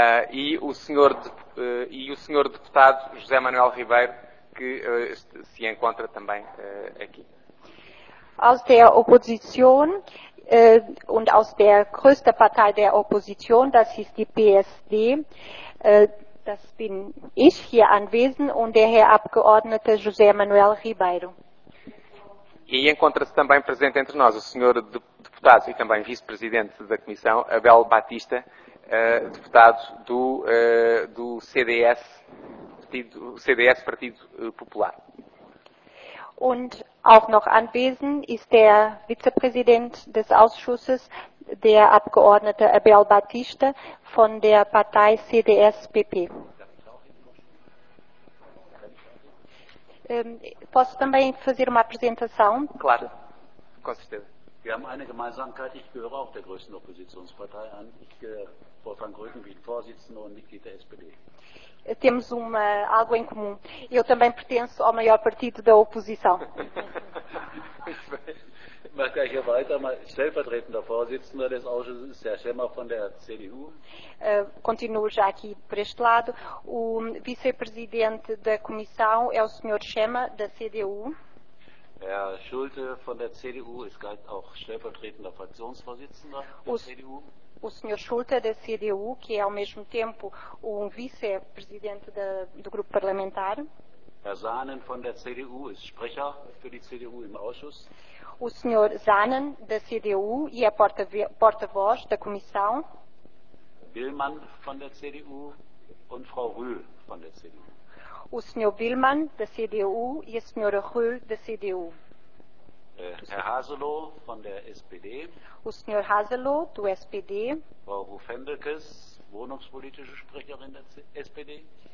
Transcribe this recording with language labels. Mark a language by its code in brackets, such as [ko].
[pt] E o senhor deputado José Manuel Ribeiro, que se encontra também aqui. [de] Aus der Opposition und aus der größten Partei der Opposition, das ist die PSD, das bin ich hier anwesend und der Herr Abgeordnete José Manuel Ribeiro. [pt] E encontra-se também presente entre nós o senhor deputado e também vice-presidente da Comissão, Abel Batista, deputado do CDS, Partido Popular. [de] Und auch noch anwesend ist der Vizepräsident des Ausschusses, der Abgeordnete Abel Batista von der Partei CDS-PP. [pt] Posso também fazer uma apresentação? Claro, com certeza. [de] Wir haben eine Gemeinsamkeit, ich gehöre auch der größten Oppositionspartei an. Ich gehöre Frank Rügen wie Vorsitzender und Mitglied der SPD. [pt] Temos algo em comum. Eu também pertenço ao maior partido da oposição. [de] Ich mache gleich hier weiter. Stellvertretender Vorsitzender des Ausschusses ist Herr Schemmer von der CDU. [pt] Continuo já aqui por este lado. O vice-presidente da comissão é o Sr. Schemmer, da CDU. [de] Herr Schulte von der CDU ist gleich auch stellvertretender Fraktionsvorsitzender der CDU. [pt] O Sr. Schulte da CDU, que é ao mesmo tempo vice-presidente do grupo parlamentar. [de] Herr Sahnen von der CDU ist Sprecher für die CDU im Ausschuss. [pt] O Sr. Sahnen da CDU e é porta-voz da comissão. [de] Willmann von der CDU und Frau Rühl von der CDU. [pt] O Sr. Willmann, da CDU, e a Sra. Rühl, da CDU. [de] Herr Haselow, von der SPD. [pt] O Sr. Haselow, do SPD. [de] Frau Rufendelkes, wohnungspolitische Sprecherin der SPD.